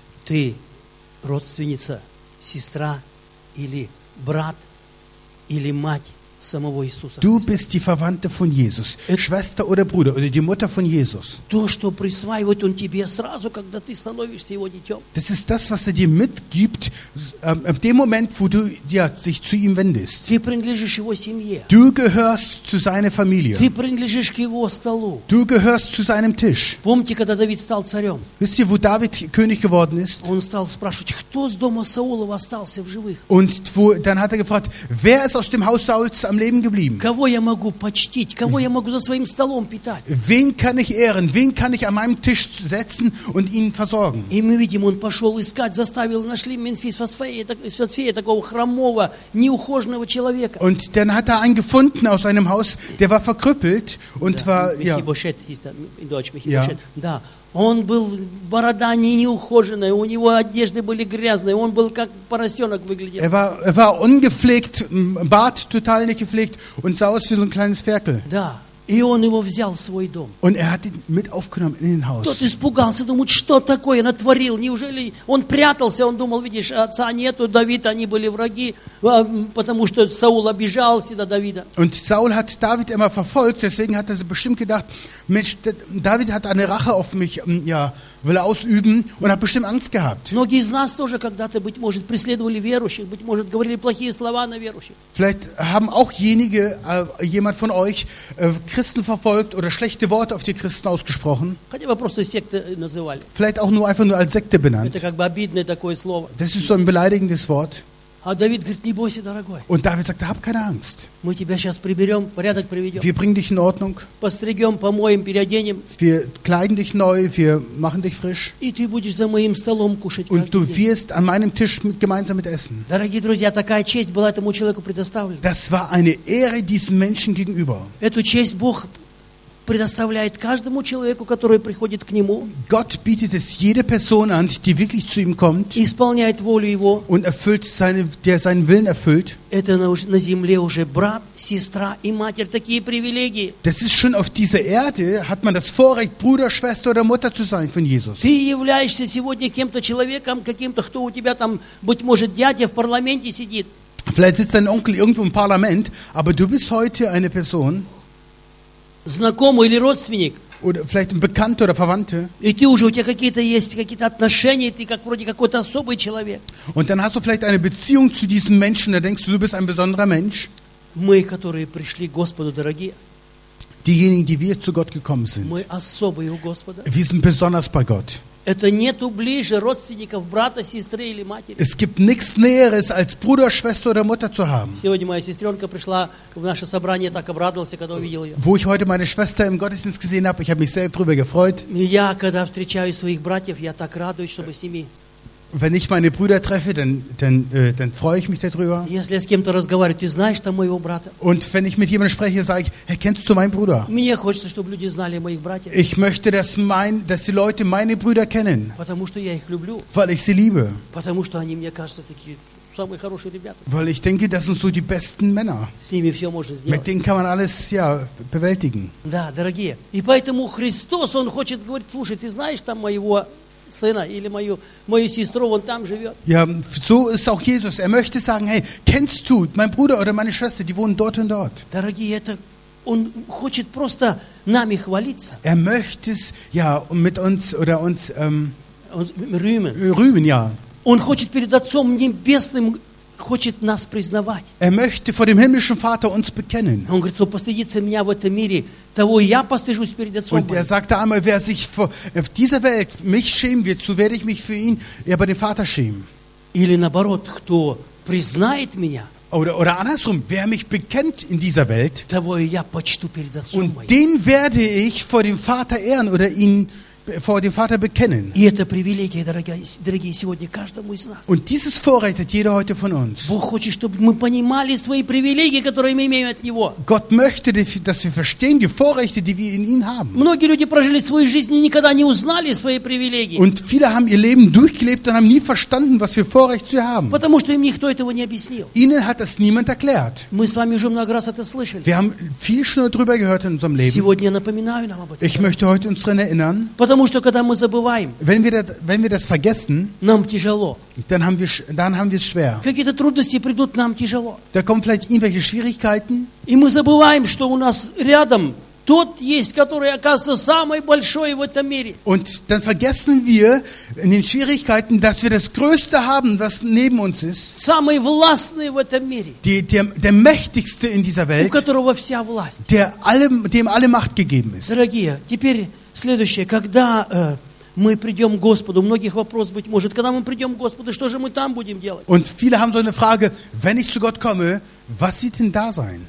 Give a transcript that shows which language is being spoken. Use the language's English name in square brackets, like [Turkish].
[Russian] Ты родственница, сестра или брат или мать. самого Иисуса. [German] Du bist die Verwandte von Jesus, Schwester oder Bruder oder die Mutter von Jesus. [Russian] То, что присваивает он тебе сразу, когда ты становишься его дитём. [German] Das ist das, was er dir mitgibt, in dem Moment, wo du ja, dich zu ihm wendest. [Russian] Ты принадлежишь его семье. [German] Du gehörst zu seiner Familie. [Russian] Ты принадлежишь к его столу. [German] Du gehörst zu seinem Tisch. [Russian] Помните, когда Давид стал царём? [German] Wisst ihr, wo David König geworden ist? [Russian] Он стал спрашивать, кто из дома Саула остался в живых? [German] Und wo, dann hat er gefragt, wer ist aus dem Haus Sauls am Leben geblieben? [Russian] Кого я могу почтить? Кого я могу за своим столом питать? [German] Wen kann ich ehren? Wen kann ich an meinem Tisch setzen und ihn versorgen? [Russian] И мы видим, он пошел искать, заставил, нашли Менфис Фосфея, такого хромого, неухоженного человека. [German] Und dann hat er einen gefunden aus einem Haus, der war verkrüppelt und [Russian] да, [German] war, ja. Мехибошет, hieß er in Deutsch, Мехибошет, ja. [Russian] Да. Он был борода неухоженная, у него одежды были грязные, он был как поросенок выглядел. [German] Er war ungepflegt, Bart total nicht gepflegt und sah aus wie so ein kleines Ferkel. [Russian] Да, и он его взял в свой дом. [German] Und er hat ihn mit aufgenommen in den Haus. [Russian] Тот испугался, думает, что такое натворил, неужели он прятался, он думал, видишь, отца нету, Давид, они были враги, потому что Саул обижал всегда Давида. [German] Und Saul hat David immer verfolgt, deswegen hat er bestimmt gedacht, Mensch, David hat eine Rache auf mich, ja, will ausüben und hat bestimmt Angst gehabt. [Russian] Многие из нас тоже когда-то, быть может, преследовали верующих, быть может, говорили плохие слова на верующих. [German] Vielleicht haben auch jenige, jemand von euch, Christen verfolgt oder schlechte Worte auf die Christen ausgesprochen. [Russian] Хотя бы просто секты называли. [German] Vielleicht auch nur einfach nur als Sekte benannt. [Russian] Это как бы обидное такое слово. [German] Das ist so ein beleidigendes Wort. [Russian] А Давид говорит, не бойся, дорогой. [German] Und David sagt, hab keine Angst. [Russian] Мы тебя сейчас приберем, порядок приведем. [German] Wir bringen dich in Ordnung. [Russian] Постригем, помоем, переоденем. [German] Wir kleiden dich neu, wir machen dich frisch. [Russian] И ты будешь за моим столом кушать. [German] Und du wirst an meinem Tisch mit, gemeinsam mit essen. [Russian] Дорогие друзья, такая честь была этому человеку предоставлена. [German] Das war eine Ehre diesem Menschen gegenüber. [Russian] Эту честь Бог предоставляет каждому человеку, который приходит к нему. [German] Gott bietet es jede Person an, die wirklich zu ihm kommt. [Russian] Исполняет волю его. [German] Und erfüllt seine, der seinen Willen erfüllt. [Russian] Это на земле уже брат, сестра и матерь такие привилегии. [German] Das ist schon auf dieser Erde hat man das Vorrecht, Bruder, Schwester oder Mutter zu sein von Jesus. [Russian] Ты являешься сегодня кем-то человеком, каким-то, кто у тебя там быть может дядя в парламенте сидит. [German] Vielleicht sitzt dein Onkel irgendwo im Parlament, aber du bist heute eine Person. [Russian] Знакомый или родственник. [German] Oder vielleicht ein Bekannter oder Verwandte. [Russian] И ты уже, у тебя какие-то есть, какие-то отношения, ты как вроде какой-то особый человек. [German] Und dann hast du vielleicht eine Beziehung zu diesem Menschen, da denkst du, du bist ein besonderer Mensch. [Russian] Мы, которые пришли к Господу, дорогие. [German] Diejenigen, die wir zu Gott gekommen sind. [Russian] Мы особые у Господа. [German] Wir sind besonders bei Gott. [Russian] Это нету ближе родственников, брата, сестры или матери. [German] Es gibt nichts Näheres, als Bruder, Schwester oder Mutter zu haben. [Russian] Сегодня моя сестренка пришла в наше собрание, так обрадовался, когда увидел ее. [German] Wo ich heute meine Schwester im Gottesdienst gesehen habe, ich habe mich sehr darüber gefreut. [Russian] Я, когда встречаю своих братьев, я так радуюсь, чтобы с ними... [German] Wenn ich meine Brüder treffe, dann freue ich mich darüber. [Russian] Если я с кем-то разговариваю, ты знаешь там моего брата? [German] Und wenn ich mit jemandem spreche, sage ich, hey, kennst du meinen Bruder? [Russian] Мне хочется, чтобы люди знали моих братьев. [German] Ich möchte, dass die Leute meine Brüder kennen. [Russian] Потому что я их люблю. [German] Weil ich sie liebe. [Russian] Потому что они мне кажутся такие самые хорошие ребята. [German] Weil ich denke, das sind so die besten Männer. [Russian] С ними все можно сделать. [German] Mit denen kann man alles, ja, bewältigen. [Russian] Да, дорогие. И поэтому Христос, он хочет говорить, слушай, ты знаешь там моего сына или мою сестру, он там живет. [German] Ja, so ist auch Jesus. Er möchte sagen, hey, kennst du mein Bruder oder meine Schwester, die wohnen dort und dort. [Russian] Дорогие, это он хочет просто нами хвалиться. [German] Er möchte es, ja, mit uns oder uns rühmen. Rühmen, ja. [Russian] Он хочет перед Отцом Небесным хочет нас признавать. [German] Er möchte vor dem himmlischen Vater uns bekennen. [Russian] Он говорит, кто постыдится меня в этом мире, того я постыжусь перед Отцом. [German] Und er sagte einmal, wer sich vor dieser Welt mich schämen wird, so werde ich mich für ihn ja bei dem Vater schämen. [Russian] Или наоборот, кто признает меня? [German] Oder andersrum, wer mich bekennt in dieser Welt, [Russian] того я почту перед Отцом. [German] Und den werde ich vor dem Vater ehren oder ihn vor dem Vater bekennen. [Russian] И это привилегия, дорогие, сегодня каждому из нас. [German] Und dieses Vorrecht hat jeder heute von uns. [Russian] Бог хочет, чтобы мы понимали свои привилегии, которые мы имеем от Него. [German] Gott möchte, dass wir verstehen die Vorrechte, die wir in ihm haben. [Russian] Многие люди прожили свою жизнь и никогда не узнали свои привилегии. [German] Und viele haben ihr Leben durchgelebt und haben nie verstanden, was für Vorrecht sie haben. [Russian] Потому что им никто этого не объяснил. [German] Ihnen hat das niemand erklärt. [Russian] Мы с вами уже много раз это слышали. [German] Wir haben viel schon darüber gehört in unserem Leben. [Russian] Сегодня я напоминаю нам об этом. [German] Ich möchte heute uns daran erinnern. [Russian] Потому что когда мы забываем, [German] wenn wir das vergessen, [Russian] нам тяжело. [German] Dann haben wir es schwer. [Russian] Какие-то трудности придут, нам тяжело. [German] Da kommen vielleicht irgendwelche Schwierigkeiten. [Russian] И мы забываем, что у нас рядом тот есть, который оказывается самый большой в этом мире. [German] Und dann vergessen wir in den Schwierigkeiten, dass wir das Größte haben, was neben uns ist. [Russian] Самый властный в этом мире. [German] Der mächtigste in dieser Welt. [Russian] У которого вся власть. [German] Dem alle Macht gegeben ist. [Russian] Дорогие, теперь следующее, когда мы придем к Господу, у многих вопрос быть может, когда мы придем к Господу, что же мы там будем делать? [German] Und viele haben so eine Frage, wenn ich zu Gott komme, was wird denn da sein?